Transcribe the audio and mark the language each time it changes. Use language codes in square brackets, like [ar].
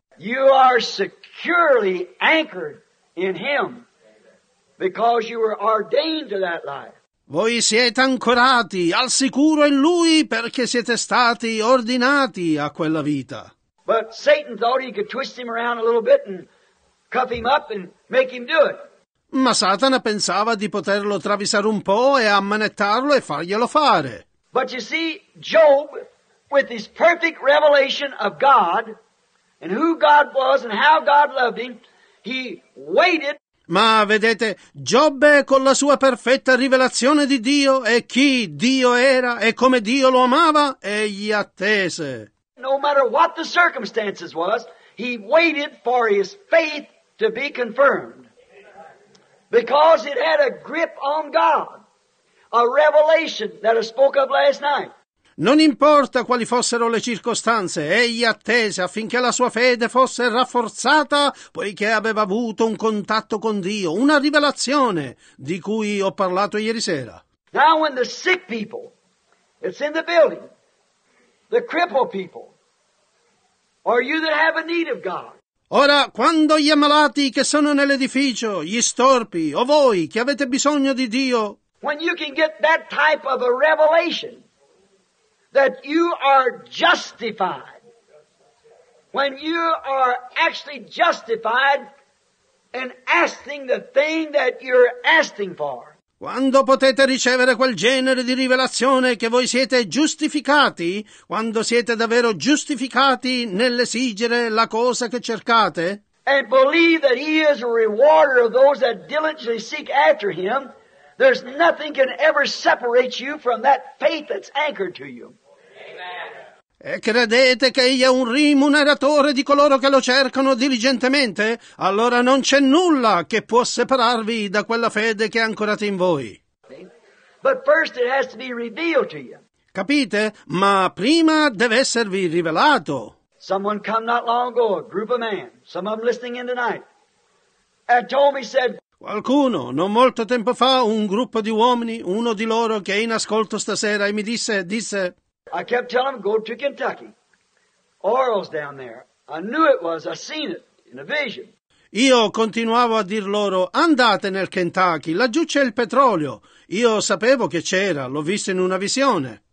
[en] You are securely anchored in Him because you were ordained to that life. [it] Voi siete ancorati al sicuro in Lui perché siete stati ordinati a quella vita. [en] But Satan thought he could twist him around a little bit and cuff him up and make him do it. [it] Ma Satana pensava di poterlo travisare un po' e ammanettarlo e farglielo fare. [en] But you see, Job, with his perfect revelation of God and who God was and how God loved him, he waited. [it] Ma vedete, Giobbe con la sua perfetta rivelazione di Dio e chi Dio era e come Dio lo amava, egli attese. [en] No matter what the circumstances was, he waited for his faith to be confirmed because it had a grip on God, a revelation that I spoke of last night. [it] Non importa quali fossero le circostanze, egli attese affinché la sua fede fosse rafforzata poiché aveva avuto un contatto con Dio, una rivelazione di cui ho parlato ieri sera. [en] Now when the sick people, it's in the building, the crippled people, or you that have a need of God. [it] Ora, quando gli ammalati che sono nell'edificio, gli storpi, o voi che avete bisogno di Dio, [en] when you can get that type of a revelation that you are justified, when you are actually justified in asking the thing that you're asking for. [it] Quando potete ricevere quel genere di rivelazione che voi siete giustificati, quando siete davvero giustificati nell'esigere la cosa che cercate, [en] and believe that he is a rewarder of those that diligently seek after him, there's nothing can ever separate you from that faith that's anchored to you. [it] E credete che egli è un rimuneratore di coloro che lo cercano diligentemente? Allora non c'è nulla che può separarvi da quella fede che è ancorata in voi. [en] But first it has to be revealed to you. [it] Capite? Ma prima deve esservi rivelato. [en] Someone come not long ago, a group of men, some of them listening in tonight, and told me, said, [it] qualcuno, non molto tempo fa, un gruppo di uomini, uno di loro che è in ascolto stasera, e mi disse... [en] I kept telling him, go to Kentucky. Oral's down there. I knew it was. I seen it in a vision. [it] Io continuavo a dir loro, andate nel Kentucky. Laggiù c'è il petrolio. Io sapevo che c'era. L'ho visto in una visione.